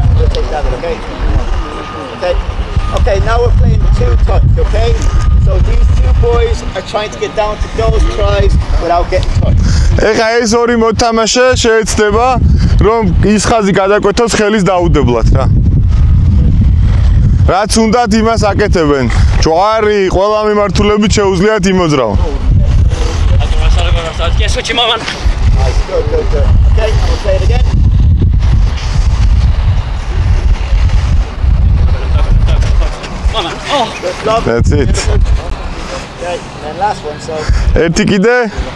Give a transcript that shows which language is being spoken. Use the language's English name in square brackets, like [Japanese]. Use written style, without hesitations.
[English] Okay, now we're playing two touch, okay? So these two boys are trying to get down to those tries without getting touched. [Georgian] ეხა ეს ორი მოთამაშე შეეცდება რომ ის ხაზი გადაკვეთოს ხელის დაუდებლად რა. რაც უნდათ იმას აკეთებენ. ჯვარი, ყველა მიმართულები შეუძლიათ იმოძრაონ. [English] Okay, I'm going to play it again. Oh. That's it. Okay, and then last one, so... Empty key there.